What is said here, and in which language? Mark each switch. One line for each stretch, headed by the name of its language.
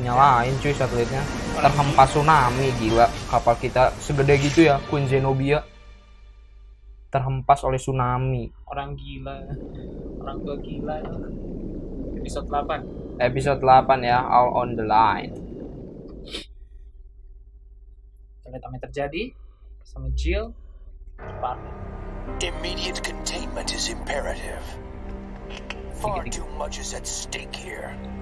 Indonesian: Dinyalain, cuy, satelitnya. Terhempas tsunami, gila. Kapal kita segede gitu ya, Queen Zenobia. Terhempas oleh tsunami. Orang gila. Orang tua gila. Episode 8. Episode 8 ya, All on the Line. Apa yang terjadi sama Jill? Cepat.
English: Immediate containment is imperative. Far too much is at stake here.